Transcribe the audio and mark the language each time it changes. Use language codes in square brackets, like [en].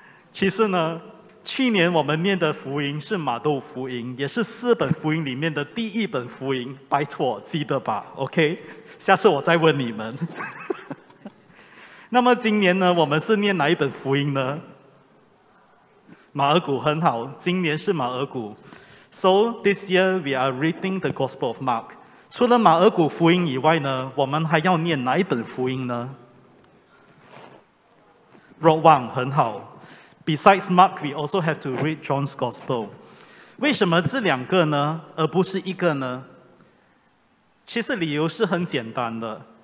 [zh] 其实呢，去年我们念的福音是马窦福音，也是四本福音里面的第一本福音，拜托记得吧 ？OK， 下次我再问你们。那么今年呢，我们是念哪一本福音呢？马尔谷，很好，今年是马尔谷。 [en] So this year we are reading the Gospel of Mark. [zh] 除了马尔谷福音以外呢，我们还要念哪一本福音呢？若望，很好。 [en] Besides Mark, we also have to read John's Gospel. [zh] 为什么这两个呢，而不是一个呢？其实理由是很简单的。